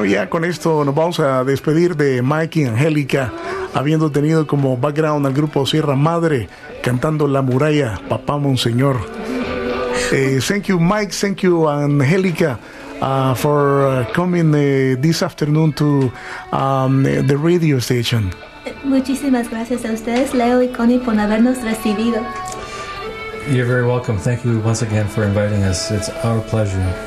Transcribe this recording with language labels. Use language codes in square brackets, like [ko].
[es] Con esto nos vamos a despedir de Mike y Angélica, habiendo tenido como background al grupo Sierra Madre cantando La Muralla, Papá Monseñor. [en] Thank you, Mike. Thank you, Angélica, for coming this afternoon to the radio station. [es] Muchísimas gracias a ustedes, Leo y Connie, por habernos recibido. [en] You're very welcome. Thank you once again for inviting us. It's our pleasure.